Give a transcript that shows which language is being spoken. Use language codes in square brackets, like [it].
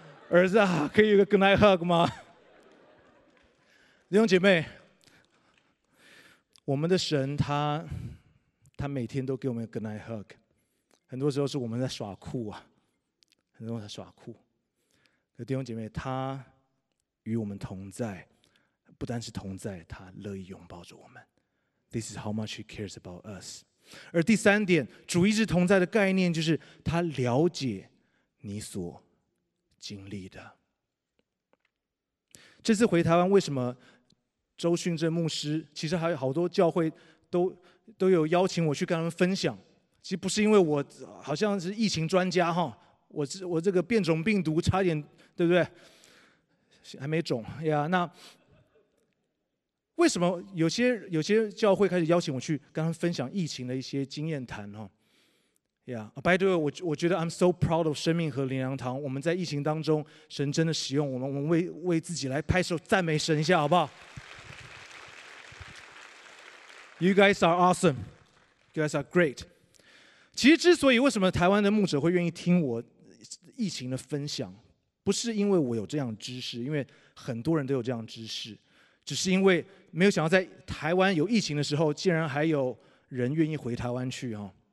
[zh] 儿子啊，可以有个 goodnight hug 吗？弟兄姐妹，我们的神他每天都给我们 goodnight hug， 很多时候是我们在耍酷啊，很多人在耍酷。可弟兄姐妹，他与我们同在，不单是同在，他乐意拥抱着我们。 [en] This is how much he cares about us。 [zh] 而第三点，主一直同在的概念就是他了解你所经历的。这次回台湾，为什么周勋正牧师，其实还有好多教会 都有邀请我去跟他们分享，其实不是因为我好像是疫情专家哈，我这个变种病毒差点，对不对，还没种呀，那为什么有些教会开始邀请我去跟他们分享疫情的一些经验谈，哦 yeah. [en] By the way， [zh] 我觉得 [en] I'm so proud of [zh] 生命和灵粮堂，我们在疫情当中神真的使用我们，我们 为自己来拍手赞美神一下好不好。 [en] You guys are awesome， You guys are great。 [zh] 其实之所以为什么台湾的牧者会愿意听我疫情的分享，不是因为我有这样知识，因为很多人都有这样知识，只是因为没有想到在台湾有疫情的时候竟然还有人愿意回台湾去，哦，